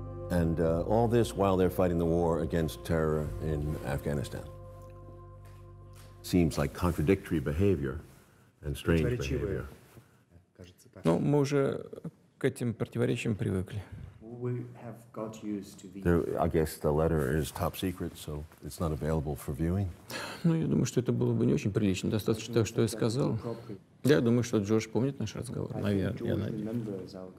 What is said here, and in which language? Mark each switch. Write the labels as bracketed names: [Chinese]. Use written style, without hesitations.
[English] And all this while they're fighting the war against terror in Afghanistan. Seems like contradictory behavior, and strange behavior. [Russian] Ну, мы уже к этим противоречиям привыкли. [English] We have got used to the... There, I guess the letter is top secret, so it's not available for viewing. [Russian] Ну, я думаю, что это было бы не очень прилично, достаточно того, что я сказал. Я думаю, что Джордж помнит наш разговор, наверное, я надеюсь.